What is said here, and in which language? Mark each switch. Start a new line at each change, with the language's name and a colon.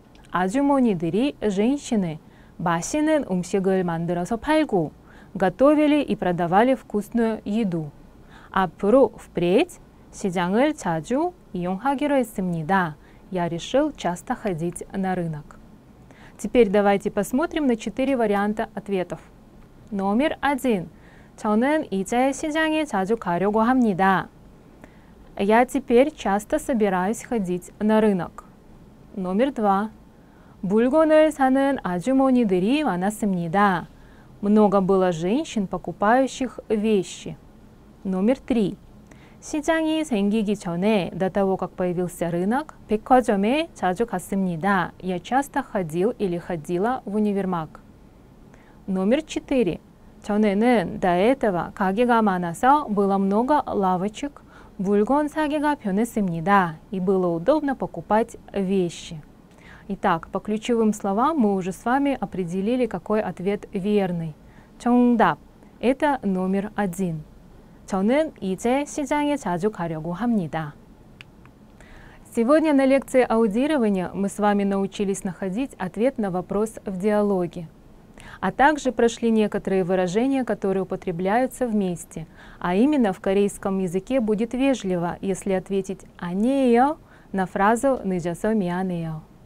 Korean: Аджумонидыри,
Russian: женщины,
Korean: масинэн умсигэль мандырэсо пальгу,
Russian: готовили и продавали вкусную еду.
Korean: Апру,
Russian: впредь,
Korean: сиджангэль чаджу ионхагиро эссымнида,
Russian: я решил часто ходить на рынок. Теперь давайте посмотрим на четыре варианта ответов. Номер один.
Korean: 저는 이제 시장에 자주 가려고 합니다.
Russian: Я теперь часто собираюсь ходить на рынок. Номер два.
Korean: 물건을 사는 아주머니들이 많았습니다.
Russian: Много было женщин, покупающих вещи. Номер три.
Korean: 시장이 생기기 전에,
Russian: до того, как появился рынок,
Korean: 백화점에 자주 갔습니다.
Russian: Я часто ходил или ходила в универмаг. Номер четыре.
Korean: 전에는
Russian: до этого
Korean: 가게가 많아서
Russian: было много лавочек,
Korean: 물건 사기가 편했습니다.
Russian: И было удобно покупать вещи. Итак, по ключевым словам мы уже с вами определили, какой ответ верный.
Korean: 정답.
Russian: Это номер один.
Korean: 저는 이제 시장에 자주 가려고 합니다.
Russian: Сегодня на лекции аудирования мы с вами научились находить ответ на вопрос в диалоге. А также прошли некоторые выражения, которые употребляются вместе. А именно, в корейском языке будет вежливо, если ответить «анеё» на фразу «ныжасо мианеё».